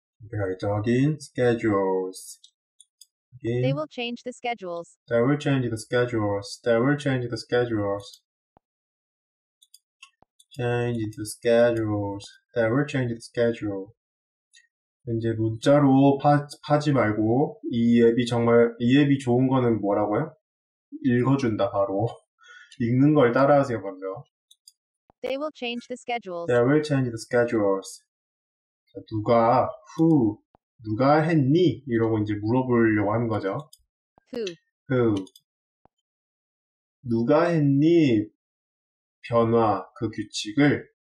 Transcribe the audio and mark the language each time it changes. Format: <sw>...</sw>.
<ko>이렇게 하겠죠? 확인. Schedules.</ko> <en>They</en> <ko>확인.</ko> <en>will change the schedules. They will change the schedules. They will change the schedules. Change the schedules. They will change the schedule.</en> <ko>이제 문자로 파지 말고, 이 앱이 정말, 이 앱이 좋은 거는 뭐라고요? 읽어준다, 바로. 읽는 걸 따라하세요, 먼저.</ko> <en>They will change the schedules. They will change the schedules.</en> <ko>누가, who, 누가 했니? 이러고 이제 물어보려고 하는 거죠.</ko> <en>Who? Who?</en> <ko>누가 했니? 변화, 그 규칙을.</ko>